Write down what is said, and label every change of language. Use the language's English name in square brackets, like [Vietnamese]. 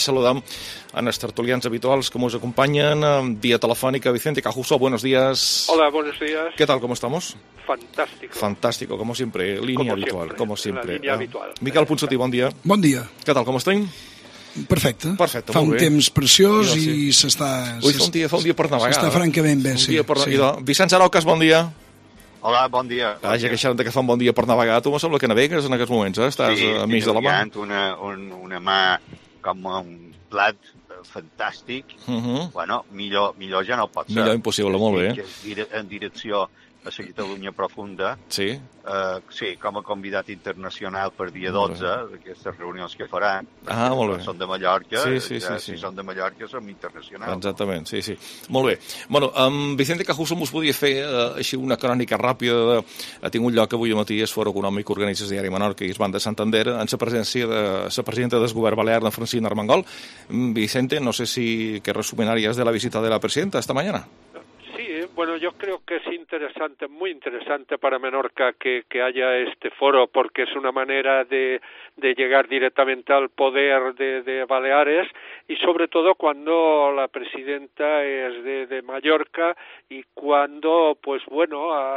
[Catalan] Saludem en els tertulians habituals que us acompanyen via telefònica. [Spanish] Vicente Cajuso, buenos días. Hola, buenos días. ¿Qué tal, cómo estamos? Fantástico. Fantástico, como siempre, [Catalan] línia habitual. [Spanish] Como siempre. [Catalan] La línia habitual. Miquel Ponsatí, bon dia. Bon dia. [Spanish] ¿Qué tal, cómo estén? [Catalan] Perfecte. Perfecte, fa un bé. Temps preciós i s'està... Ui, fa un dia per navegar. S'està francament bé, sí. Vicenç Aroques, bon dia. Hola, bon dia. Ah, ja queixaran que fa un bon dia per navegar. Tu me sembla que navegues en aquests moments, eh? Estàs sí, a mig de la mà. Sí, tinc una mà com un plat fantàstic. Uh-huh. Bueno, millor ja no pot ser. Millor impossible, molt bé. En direcció a la Catalunya profunda. Sí. Sí, com a convidat internacional per dia 12, d'aquestes reunions que faran. Ah, molt bé. Són de Mallorca, sí, sí, sí, si són de Mallorca som internacionals. Exactament, no? Sí, sí. Molt bé. Bueno, Vicente Cajuso, us podia fer així una crònica ràpida de... Ha tingut lloc avui al matí, es Foro Econòmic organitza el diari Menorca i es van de Santander en la presència de la presidenta del govern balear, la Francina Armengol. [Spanish] Vicente, no sé si que resumenarías de la visita de la presidenta esta mañana. Bueno, yo creo que es interesante, muy interesante para Menorca que haya este foro, porque es una manera de llegar directamente al poder de Baleares, y sobre todo cuando la presidenta es de Mallorca y cuando, pues bueno,